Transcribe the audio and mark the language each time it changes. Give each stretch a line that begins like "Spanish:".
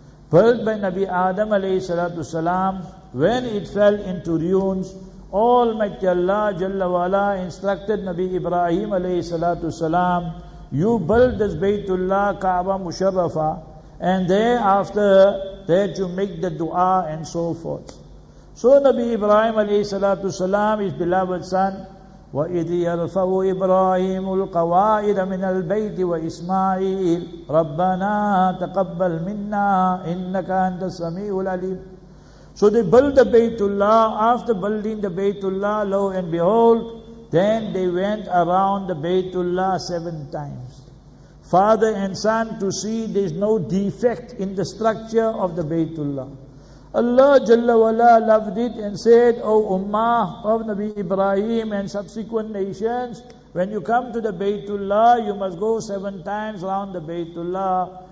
English: Built by Nabi Adam alayhi salatu salam, when it fell into ruins, Almighty Allah Jalla Wala instructed Nabi Ibrahim alayhi salatu salam, you build this Baytullah Kaaba Musharrafa, and thereafter that you make the dua and so forth. So Nabi Ibrahim alayhi salatu salam, his beloved son,
Arabic: وإذ يرفع إبراهيم القواعد من البيت وإسماعيل ربنا تقبل منا إنك أنت السميع العليم.
English: So they built the Baytullah. After building the Baytullah, lo and behold, then they went around the Baytullah 7 times. Father and son, to see there's no defect in the structure of the Baytullah. Allah Jalla Wala loved it and said, O Ummah of Nabi Ibrahim and subsequent nations, when you come to the Baytullah, you must go 7 times around the Baytullah.